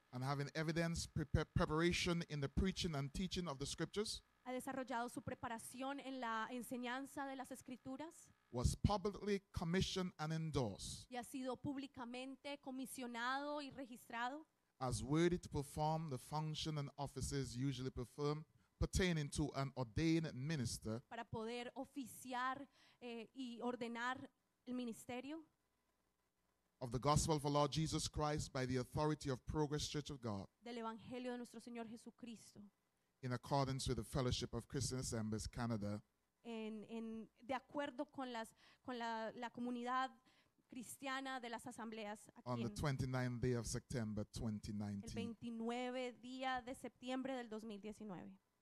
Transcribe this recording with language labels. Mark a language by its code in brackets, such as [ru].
[en] and having evidence preparation in the preaching and teaching of the scriptures, [es] ha desarrollado su preparación en la enseñanza de las escrituras, [en] was publicly commissioned and endorsed, [es] y ha sido públicamente comisionado y registrado, [en] as worthy to perform the function and offices usually performed pertaining to an ordained minister, [es] para poder oficiar y ordenar el ministerio [en] of the gospel of our Lord Jesus Christ by the authority of Progress Church of God, [es] del evangelio de nuestro Señor Jesucristo, [en] in accordance with the Fellowship of Christian Assemblies Canada, [es] en de acuerdo con las con la la comunidad cristiana de las asambleas aquí. [en] On the 29th day of September 2019. [es] El 29 día de septiembre del 2019.